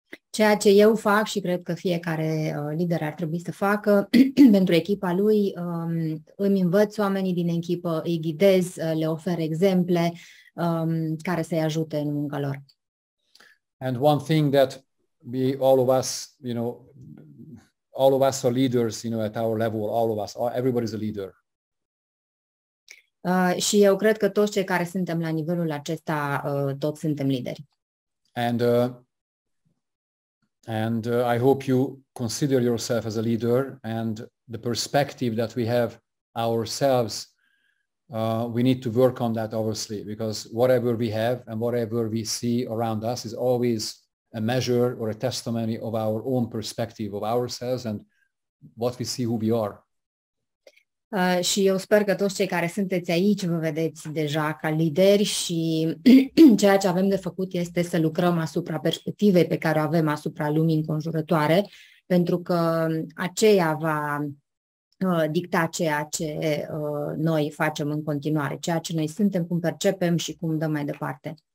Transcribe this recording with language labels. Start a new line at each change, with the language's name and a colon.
Romanian: Ceea ce eu fac și cred că fiecare lider ar trebui să facă pentru echipa lui, îmi învăț oamenii din echipă, îi ghidez, le ofer exemple care să-i ajute în munca lor.
English: And one thing that we all of us, you know, all of us are leaders, you know, at our level, all of us, everybody's a leader.
Romanian: Și eu cred că toți cei care suntem la nivelul acesta, toți suntem lideri.
English: And I hope you consider yourself as a leader and the perspective that we have ourselves, we need to work on that obviously, because whatever we have and whatever we see around us is always a measure or a testimony of our own perspective of ourselves and what we see who we are.
Romanian: Și eu sper că toți cei care sunteți aici vă vedeți deja ca lideri și ceea ce avem de făcut este să lucrăm asupra perspectivei pe care o avem asupra lumii înconjurătoare, pentru că aceea va dicta ceea ce noi facem în continuare, ceea ce noi suntem, cum percepem și cum dăm mai departe.